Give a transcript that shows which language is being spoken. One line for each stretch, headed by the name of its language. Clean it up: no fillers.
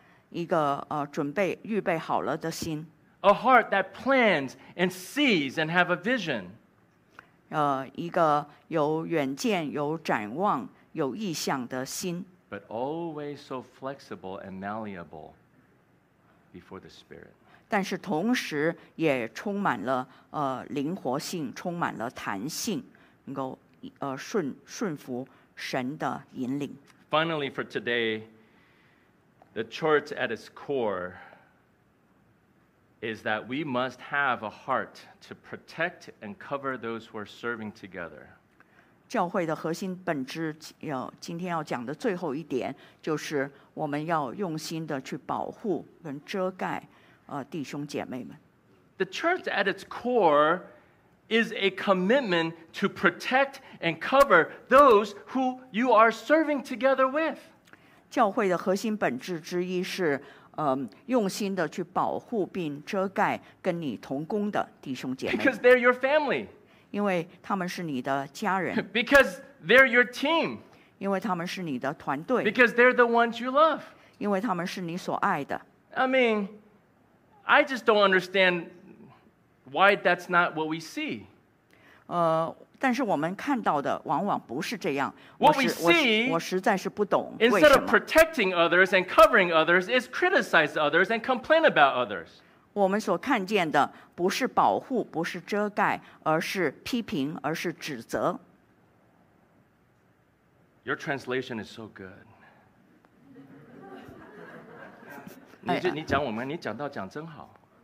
Chinese: 一个准备预备好了的心
English: a heart that plans and sees and have a vision
Chinese: 一个有远见有展望有意向的心
English: but always so flexible and malleable before the spirit
Chinese: 但是同时也充满了灵活性充满了弹性能够顺服神的引领。
English: Finally, for today, the church at its core is that we must have a heart to protect and cover those who are serving together.
Chinese: 教会的核心本质，今天要讲的最后一点，就是我们要用心的去保护跟遮盖，弟兄姐妹们。
English: The church at its core. Is a commitment to protect and cover those who you are serving together with.
Chinese: 教会的核心本质之一是，用心的去保护并遮盖跟你同工的弟兄姐妹。
English: Because they're your family.
Chinese: 因为他们是你的家人。
English: Because they're your team.
Chinese: 因为他们是你的团队。
English: Because they're the ones you love.
Chinese: 因为他们是你所爱的。
English: I mean, I just don't understand. Why that's not what we see?
Chinese: 但是我们看到的往往不是这样。
English: What we see,
Chinese: 我实在是不懂为什么。
English: Instead of protecting others and covering others, is criticize others and complain about others.
Chinese: 我们所看见的不是保护，不是遮盖，而是批评，而是指责。
English: Your translation is so good.
Chinese: 你讲我们，你讲到讲真好。